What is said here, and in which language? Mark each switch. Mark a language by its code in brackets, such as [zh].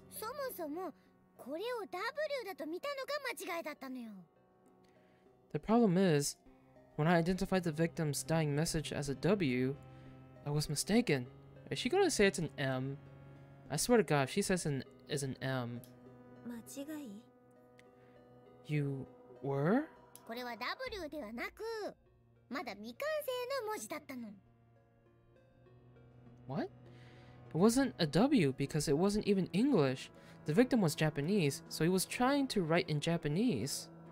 [ja] そもそもこれを W だと見たのが間違いだったのよ。 [en] The problem is, when I identified the victim's dying message as a W, I was mistaken. Is she gonna say it's an M? I swear to God, if she says it is an M. [ja] 間違い? [en] You were? [ja] これは W ではなく、まだ未完成の文字だったの。 [en] What? It wasn't a W because it wasn't even English. The victim was Japanese, so he was trying to write in Japanese.